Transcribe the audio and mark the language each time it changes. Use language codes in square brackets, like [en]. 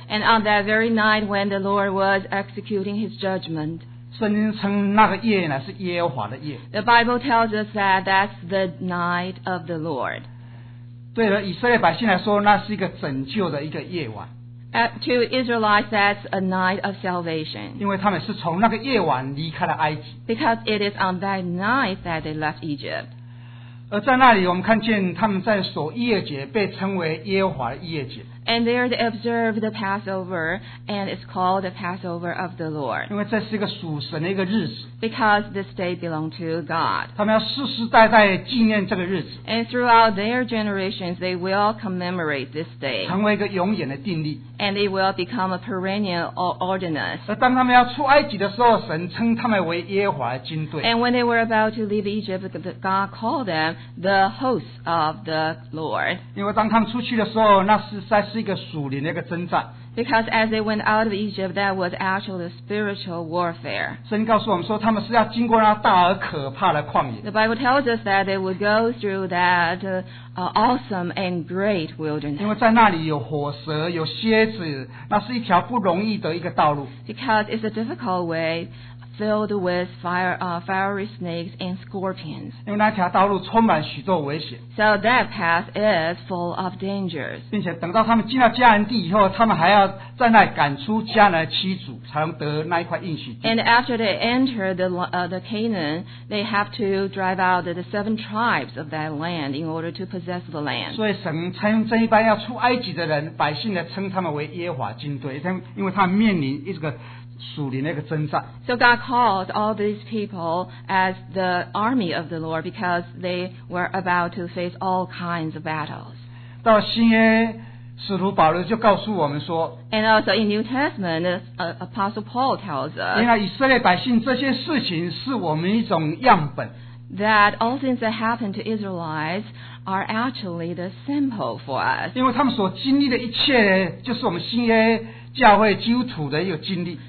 [en] ，And on that very night when the Lord was executing His judgment. [zh] 圣经称那个夜呢是耶和华的夜。 [en] The Bible tells us that that's the night of the Lord. [zh] 对了，以色列百姓来说，那是一个拯救的一个夜晚。 [en] To Israelites, that's a night of salvation. [zh] 因为他们是从那个夜晚离开了埃及。 [en] Because it is on that night that they left Egypt. [zh] 而在那里，我们看见他们在守逾越节，被称为耶和华的逾越节。 [en] And there they observe the Passover, and it's called the Passover of the Lord. [zh] 因为这是一个属神的一个日子。 [en] Because this day belonged to God. [zh] 他们要世世代代纪念这个日子。 [en] And throughout their generations, they will commemorate this day. [zh] 成为一个永远的定例。 [en] And they will become a perennial ordinance. [zh] 而当他们要出埃及的时候，神称他们为耶和华军队。 [en] And when they were about to leave Egypt, God called them the hosts of the Lord. [zh] 因为当他们出去的时候，那是在是一个属灵的一个征战。 [en] Because as they went out of Egypt, that was actually spiritual warfare. [zh] 神告诉我们说，他们是要经过那大而可怕的旷野。 [en] The Bible tells us that they would go through that awesome and great wilderness. [zh] 因为在那里有火蛇，有蝎子，那是一条不容易的一个道路。 [en] Because it's a difficult way. Filled with fiery snakes and scorpions. [zh] 因为那条道路充满许多危险。 [en] So that path is full of dangers. [zh] 并且等到他们进到迦南地以后，他们还要在那里赶出迦南的妻子，才能得那一块应许地。 [en] And after they enter the Canaan, they have to drive out the seven tribes of that land in order to possess the land. [zh] 所以神称这一般要出埃及的人，百姓的称他们为耶和华军队，因为他们面临一个。 [en] So God called all these people as the army of the Lord because they were about to face all kinds of battles. [zh] 到新约，使徒保罗就告诉我们说。 [en] And also in New Testament, Apostle Paul tells us. [zh] 因为以色列百姓这些事情是我们一种样本。 [en] That all things that happened to Israelites are actually the symbol for us. [zh] 因为他们所经历的一切，就是我们新约。教会基督徒的一个经历